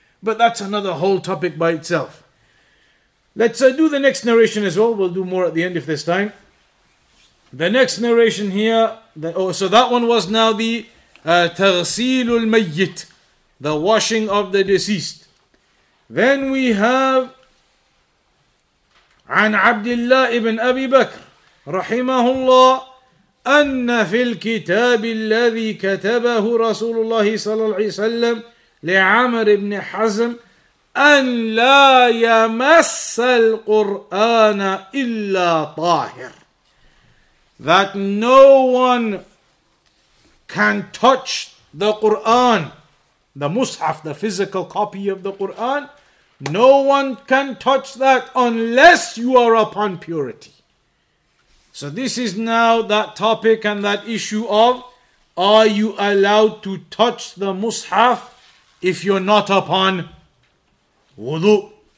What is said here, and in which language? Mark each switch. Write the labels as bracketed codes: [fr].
[en] But that's another whole topic by itself. Let's do the next narration as well. We'll do more at the end if there's time. The next narration here, so that one was now the تغسيل الميت, the washing of the deceased. [ar] Then we have عن عبد الله ابن أبي بكر رحمه الله أن في الكتاب الذي كتبه رسول الله صلى الله عليه وسلم لعمر بن حزم أن لا يمس القرآن إلا طاهر. [en] That no one can touch the Qur'an, the Mus'haf, the physical copy of the Qur'an, no one can touch that unless you are upon purity. So this is now that topic and that issue of, are you allowed to touch the Mus'haf if you're not upon wudu?